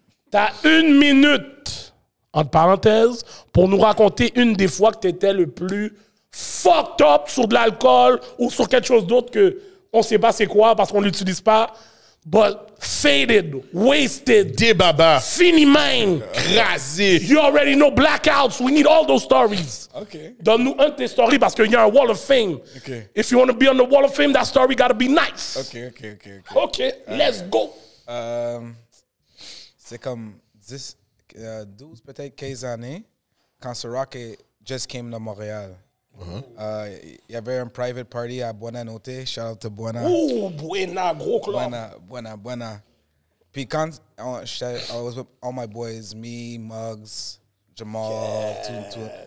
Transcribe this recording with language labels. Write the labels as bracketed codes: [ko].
[fr] T'as une minute, entre parenthèses, pour nous raconter une des fois que t'étais le plus fucked up sur de l'alcool ou sur quelque chose d'autre que on sait pas c'est quoi parce qu'on l'utilise pas. [en] But faded, wasted, De baba. Fini mine, crazy. You already know blackouts. We need all those stories. Okay. [fr] Donne-nous un de tes stories parce qu'il y a un wall of fame. [en] Okay. If you want to be on the wall of fame, that story got to be nice. Okay. Let's go. [fr] C'est comme 10, 12, peut-être 15 années quand ce [en] rock just came to Montréal. [fr] Il y avait un private party à Buena Note, [en] shout out to Buena. [fr] Ouh, Buena, gros club. Buena. Puis quand [en] I was with all my boys, [fr] me, Muggs, Jamal, tout.